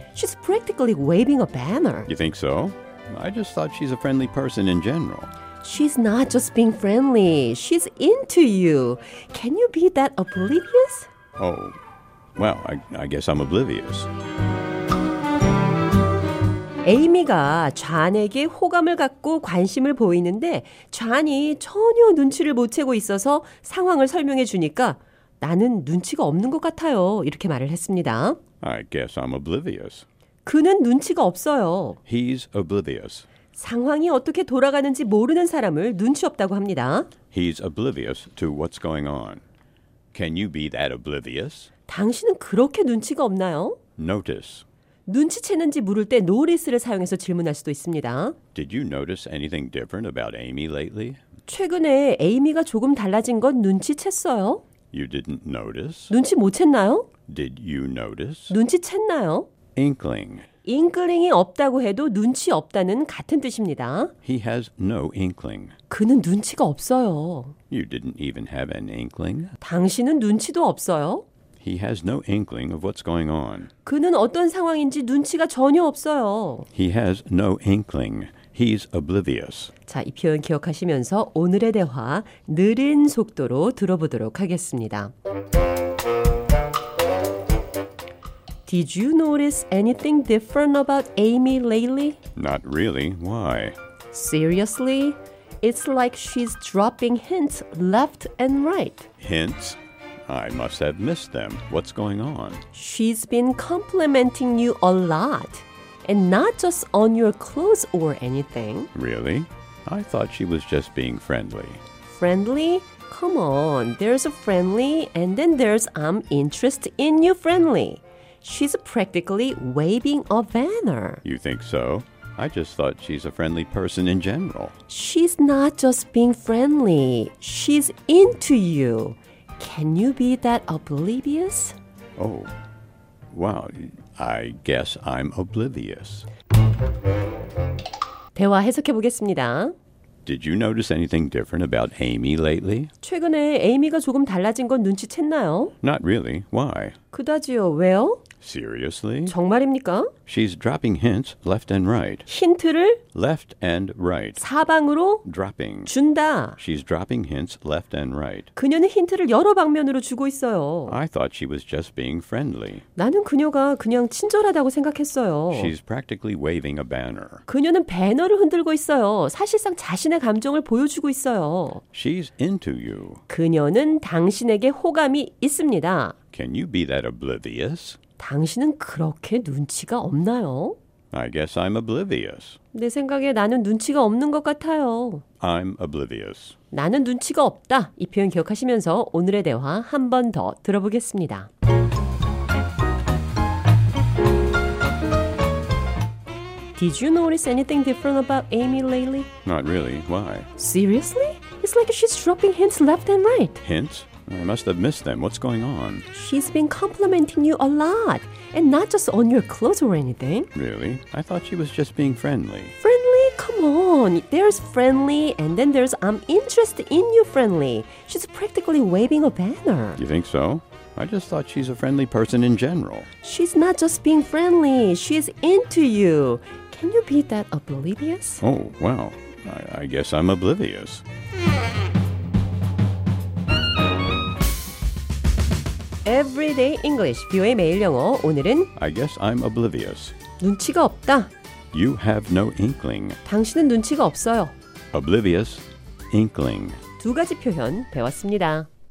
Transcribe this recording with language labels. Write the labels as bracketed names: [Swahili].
[English] She's practically waving a banner. You think so? I just thought she's a friendly person in general. She's not just being friendly. She's into you. Can you be that oblivious? Oh, well, I guess I'm oblivious. [Korean] 에이미가 존에게 호감을 갖고 관심을 보이는데 존이 전혀 눈치를 못 채고 있어서 상황을 설명해 주니까 나는 눈치가 없는 것 같아요. 이렇게 말을 했습니다. [English] I guess I'm oblivious. [Korean] 그는 눈치가 없어요. [English] He's oblivious. [Korean] 상황이 어떻게 돌아가는지 모르는 사람을 눈치 없다고 합니다. [English] He's oblivious to what's going on. Can you be that oblivious? [Korean] 당신은 그렇게 눈치가 없나요? [English] Notice. [Korean] 눈치채는지 물을 때 notice를 사용해서 질문할 수도 있습니다. [English] Did you notice anything different about Amy lately? [Korean] 최근에 에이미가 조금 달라진 건 눈치챘어요? [English] You didn't notice? [Korean] 눈치 못 챘나요? [English] Did you notice? [Korean] 눈치챘나요? [English] Inkling. [Korean] Inkling이 없다고 해도 눈치 없다는 같은 뜻입니다. [English] He has no inkling. [Korean] 그는 눈치가 없어요. [English] You didn't even have an inkling? [Korean] 당신은 눈치도 없어요. [English] He has no inkling of what's going on. [Korean] 그는 어떤 상황인지 눈치가 전혀 없어요. [English] He has no inkling. He's oblivious. [Korean] 자, 이 표현 기억하시면서 오늘의 대화 느린 속도로 들어보도록 하겠습니다. [English] Did you notice anything different about Amy lately? Not really. Why? Seriously? It's like she's dropping hints left and right. Hints? I must have missed them. What's going on? She's been complimenting you a lot. And not just on your clothes or anything. Really? I thought she was just being friendly. Friendly? come on. There's a friendly, and then there's I'm interested in you friendly. She's practically waving a banner. You think so? I just thought she's a friendly person in general. She's not just being friendly. She's into you. Can you be that oblivious? Oh, well, I guess I'm oblivious. [Korean] 대화 해석해 보겠습니다. [English] Did you notice anything different about Amy lately? [Korean] 최근에 에이미가 조금 달라진 건 눈치챘나요? [English] Not really. Why? [Korean] 그다지요. 왜요? [English] Seriously? [Korean] 정말입니까? [English] She's dropping hints left and right. [Korean] 힌트를? [English] Left and right. [Korean] 사방으로? [English] Dropping. [Korean] 준다. [English] She's dropping hints left and right. [Korean] 그녀는 힌트를 여러 방면으로 주고 있어요. [English] I thought she was just being friendly. [Korean] 나는 그녀가 그냥 친절하다고 생각했어요. [English] She's practically waving a banner. [Korean] 그녀는 배너를 흔들고 있어요. 사실상 자신의 감정을 보여주고 있어요. [English] She's into you. [Korean] 그녀는 당신에게 호감이 있습니다. [English] Can you be that oblivious? [Korean] 당신은 그렇게 눈치가 없나요? [English] I guess I'm oblivious. [Korean] 내 생각에 나는 눈치가 없는 것 같아요. [English] I'm oblivious. [Korean] 나는 눈치가 없다. 이 표현 기억하시면서 오늘의 대화 한 번 더 들어보겠습니다. [English] Did you notice anything different about Amy lately? Not really. Why? Seriously? It's like she's dropping hints left and right. Hints? I must have missed them. What's going on? She's been complimenting you a lot. And not just on your clothes or anything. Really? I thought she was just being friendly. Friendly? Come on. There's friendly, and then there's I'm interested in you friendly. She's practically waving a banner. You think so? I just thought she's a friendly person in general. She's not just being friendly. She's into you. Can you be that oblivious? Oh, well, I guess I'm oblivious. [Korean] 에브리데이 잉글리시 뷰의 매일 영어 오늘은 [English] I guess I'm oblivious. [Korean] 눈치가 없다. [English] You have no inkling. [Korean] 당신은 눈치가 없어요. [English] Oblivious, inkling. [Korean] 두 가지 표현 배웠습니다.